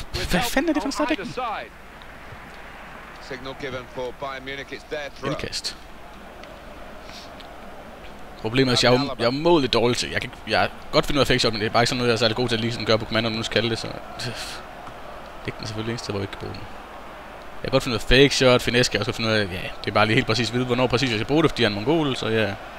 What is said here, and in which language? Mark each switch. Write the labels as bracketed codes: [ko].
[da] Hvad fanden er det for en stadig? [en] Signal given for Bayern Munich, it's their throw. [da] Indkast. Problemet er, at jeg er umådeligt dårlig til. Jeg kan godt finde ud af fake shot, men det er bare ikke sådan noget, jeg er særlig god til at lige sådan gøre på kommando, nu skal det, så... Det er den selvfølgelig eneste, hvor vi ikke kan bruge den. Jeg kan godt finde ud af fake shot, finesse, jeg skal finde ud af, ja, det er bare lige helt præcis at vide, hvornår præcis jeg skal bruge det, fordi jeg er en mongol, så ja.